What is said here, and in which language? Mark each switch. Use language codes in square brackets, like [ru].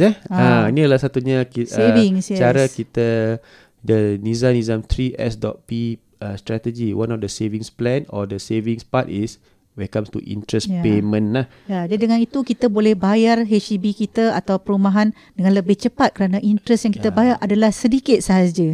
[ms] Ini adalah satunya savings, cara kita the Nizam 3S.P strategy. [en] One of the savings plan or the savings part is when it comes to interest payment lah. [ms] Jadi dengan itu kita boleh bayar HDB kita atau perumahan dengan lebih cepat kerana interest yang kita bayar adalah sedikit sahaja.